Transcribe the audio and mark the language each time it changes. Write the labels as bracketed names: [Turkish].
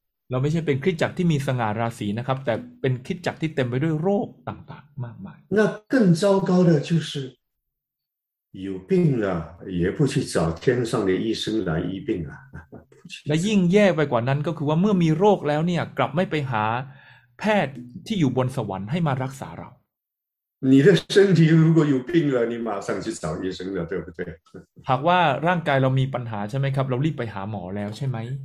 [Thai] เราไม่ใช่เป็นคริสตจักรที่มีสง่าราศีนะครับแต่เป็นคริสตจักรที่เต็มไปด้วยโรคต่างๆมากมาย [Chinese] 那更糟糕的就是有病了也不去找天上的医生来医病啊 [Thai] และยิ่งแย่ไปกว่านั้นก็คือว่าเมื่อมีโรคแล้วเนี่ยกลับไม่ไปหาแพทย์ที่อยู่บนสวรรค์ให้มารักษาเรา [Chinese] 你的身体如果有病了你马上去找医生了对不对 [Thai] หากว่าร่างกายเรามีปัญหาใช่ไหมครับเรารีบไปหาหมอแล้วใช่ไหม